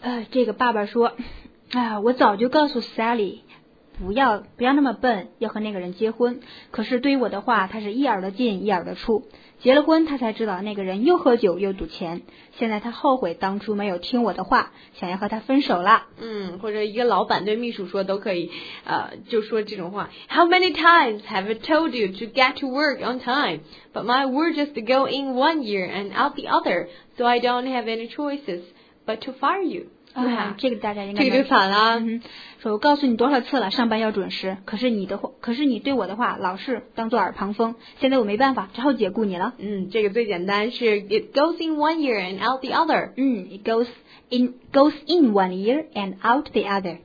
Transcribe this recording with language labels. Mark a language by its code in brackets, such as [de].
[zh] 这个爸爸说，我早就告诉 Sally， 不要那么笨，要和那个人结婚。可是对于我的话，他是一耳朵进一耳朵出。结了婚，他才知道那个人又喝酒又赌钱。现在他后悔当初没有听我的话，想要和他分手了。或者一个老板对秘书说都可以，就说这种话。 [en] How many times have I told you to get to work on time? But my word just go in one ear and out the other, so I don't have any choices but to fire you. [zh] 这个大家应该这个就反了。说我告诉你多少次了，上班要准时，可是你对我的话老是当作耳旁风，现在我没办法，只好解雇你了。这个最简单是 [en] it goes in one ear and out the other。 It goes in one ear and out the other。